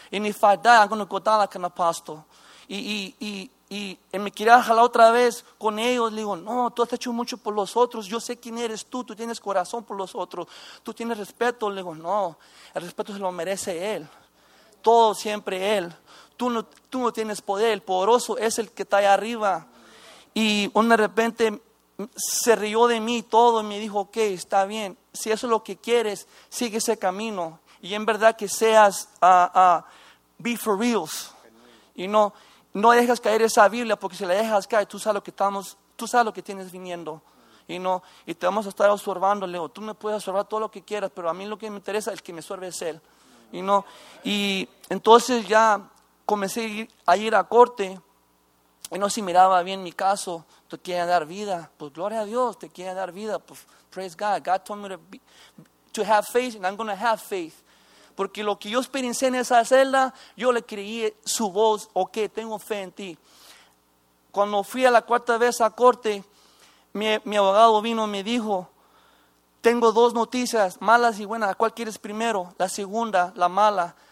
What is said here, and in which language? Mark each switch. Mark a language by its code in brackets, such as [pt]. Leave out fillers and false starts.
[en] And if I die, I'm going to go down like an apostle. [es] Y me quería jalar otra vez con ellos. Le digo, no, tú has hecho mucho por los otros. Yo sé quién eres tú. Tú tienes corazón por los otros. Tú tienes respeto. Le digo, no, el respeto se lo merece él. Todo siempre él. Tú no tienes poder. El poderoso es el que está ahí arriba. Y de repente se rió de mí todo. Y me dijo, ok, está bien. Si eso es lo que quieres, sigue ese camino. Y en verdad que seas [en] be for reals. [es] Y no, no dejas caer esa Biblia, porque si la dejas caer, tú sabes lo que tienes viniendo. Y no, y te vamos a estar observando. Leo, tú me puedes observar todo lo que quieras, pero a mí lo que me interesa es que me observe es él. Y no, y entonces ya comencé a ir a corte. Y no, si miraba bien mi caso, te quieren dar vida, pues gloria a Dios, te quieren dar vida, pues [en] praise God. God told me to have faith and I'm going to have faith. [es] Porque lo que yo experiencé en esa celda, yo le creí su voz, ok, tengo fe en ti. Cuando fui a la cuarta vez a corte, mi abogado vino y me dijo, Tengo dos noticias, malas y buenas. ¿Cuál quieres primero? La segunda, la mala.